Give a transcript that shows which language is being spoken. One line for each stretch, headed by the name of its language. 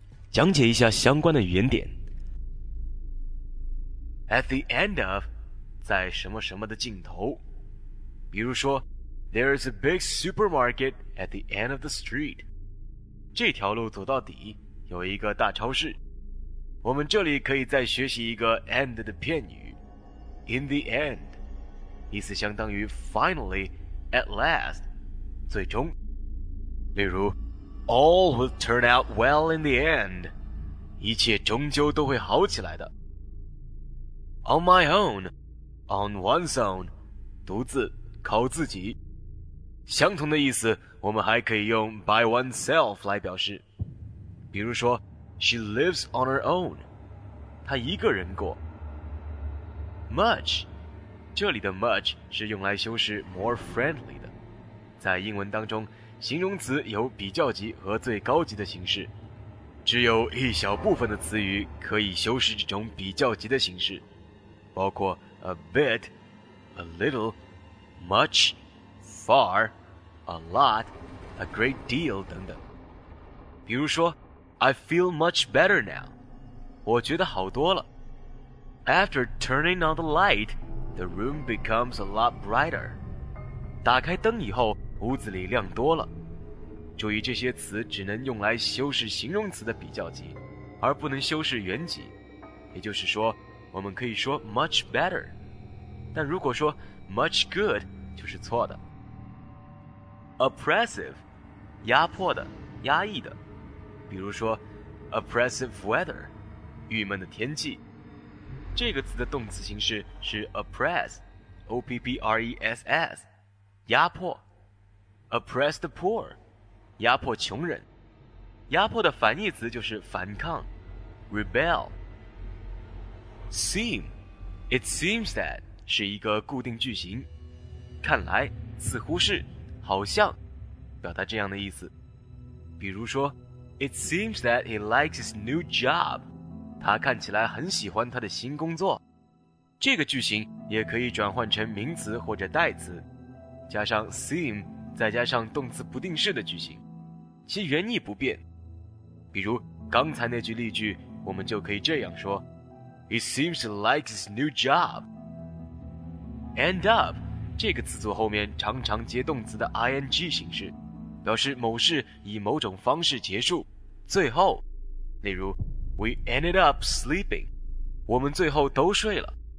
Chinese: 讲解一下相关的语言点。
English: At the end of,
Chinese: 在什么什么的尽头。比如说
English: ,There is a big supermarket at the end of the street.
Chinese: 这条路走到底有一个大超市。我们这里可以再学习一个 end 的片语。
English: In the end,
Chinese: 意思相当于
English: finally, at last,
Chinese: 最终。例如 All will turn out well in the end. 一切终究都会好起来的。
English: On my own, on one's own,
Chinese: 独自，靠自己。相同的意思，我们还可以用
English: by oneself
Chinese: 来表示。比如说
English: ,she lives on her own.
Chinese: 她一个人过。
English: Much,
Chinese: 这里的 much 是用来修饰
English: more friendly
Chinese: 的。在英文当中形容词有比较级和最高级的形式，只有一小部分的词语可以修饰这种比较级的形式，包括
English: a bit, a little, much, far, a lot, a great deal
Chinese: 等等。比如说
English: I feel much better now,
Chinese: 我觉得好多了。
English: After turning on the light, the room becomes a lot brighter.
Chinese: 打开灯以后屋子里亮多了。注意这些词只能用来修饰形容词的比较级，而不能修饰原级。也就是说，我们可以说
English: much better，
Chinese: 但如果说
English: much good
Chinese: 就是错的。
English: Oppressive，
Chinese: 压迫的，压抑的。比如说
English: oppressive weather，
Chinese: 郁闷的天气。这个词的动词形式是 oppress， O-P-P-R-E-S-S， 压迫。
English: Oppress the poor,
Chinese: 压迫穷人。压迫的反义词就是反抗， rebel.
English: Seem, it seems that,
Chinese: 是一个固定句型。看来，似乎是，好像，表达这样的意思。比如说
English: ,It seems that he likes his new job.
Chinese: 他看起来很喜欢他的新工作。这个句型也可以转换成名词或者代词，加上 seem,再加上动词不定式的句型，其原意不变。比如刚才那句例句，我们就可以这样说
English: ,He seems to like his new job. End up,
Chinese: 这个词组后面常常接动词的 ing 形式，表示某事以某种方式结束，最后。例如
English: ,We ended up sleeping.
Chinese: 我们最后都睡了。